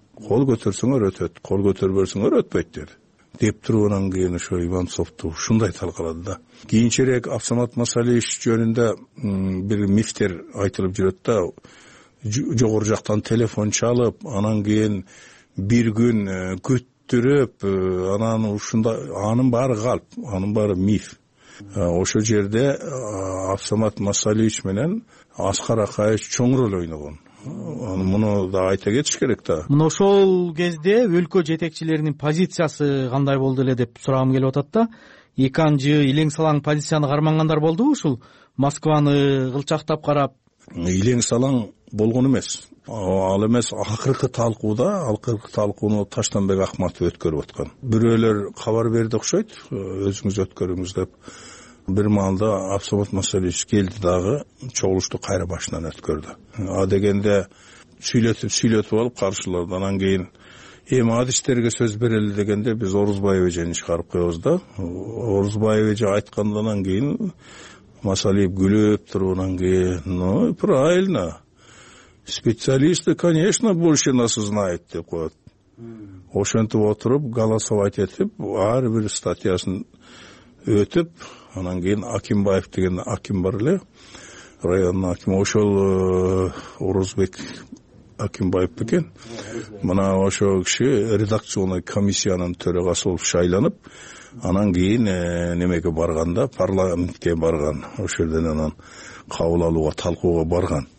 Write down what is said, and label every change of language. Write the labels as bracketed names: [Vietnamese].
[Kyrgyz] Кол көтөрсөңөр өтөт, кол көтөрбөсөңөр өтпөйт деди деп туруп, анан кийин ошо Иванцовду ушундай талкалады да. Кийинчерээк Абсамат Масалиевич жөнүндө бир мифтер айтылып жүрөт да, жогору жактан телефон чалып, анан кийин бир күн күттүрүп, анан ушундай, анын баары калп, анын баары миф. Ошол жерде Абсамат Масалиевич менен Аскар Акаевич чоң роль ойногон. Муну да айта кетиш керек да. Муну ошол кезде өлкө жетекчилеринин позициясы кандай болду эле деп сурагым келип атат да. Иканжы илең салаң позицияны кармангандар болдубу ушул Москваны кылчактап карап? Илең салаң болгон эмес. Ал эмес акыркы талкууда, акыркы талкууну Таштанбек Ахматов өткөрүп аткан. Бирөөлөр кабар берди окшойт, өзүңүз өткөрүңүз деп. Бир маалда Абсолют Масалевич келди дагы, чогулушту кайра башынан өткөрдү. А дегенде сүйлөтүп алып каршылардан анан кийин эми адистерге сөз берели дегенде биз Орозбаев эжени чыгарып коебуз да. Орозбаев эже айткандан кийин Масалиев күлүп туруунан кийин, [Russian] ну правильно. Специалисты, конечно, больше нас знают, [Kyrgyz] деп коет. Ошентип отуруп, голосовать этип, ар бир статьясын өтүп, анан кийин Акимбаев деген аким бар эле, райондун акими, ошол Орозбек Акимбаев экен. Мына ошол киши редакционный комиссиянын төрагасы болуп шайланып, анан кийин немеге барганда, парламентке барган, ошол жерден анан кабыл алууга, талкууга барган.